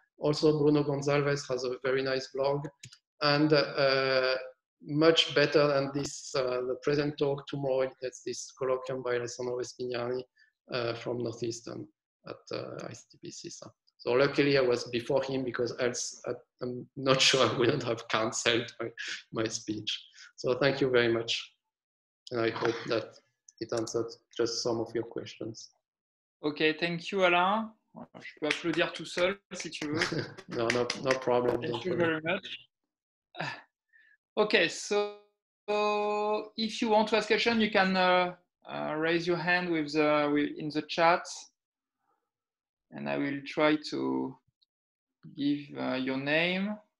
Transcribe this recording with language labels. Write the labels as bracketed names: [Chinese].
[English] Also, Bruno Gonzalez has a very nice blog, and much better than this, the present talk tomorrow, that's this colloquium by Alessandro Vespignani from Northeastern at ICTPCSA. So luckily I was before him, because else I'm not sure I wouldn't have canceled my speech. So thank you very much. And I hope that it answered just some of your questions. Okay, thank you, Alain. [French] Je peux applaudir tout seul si tu veux. [English] No problem. Thank you very much. Okay, so if you want to ask a question, you can raise your hand in the chat, and I will try to give your name.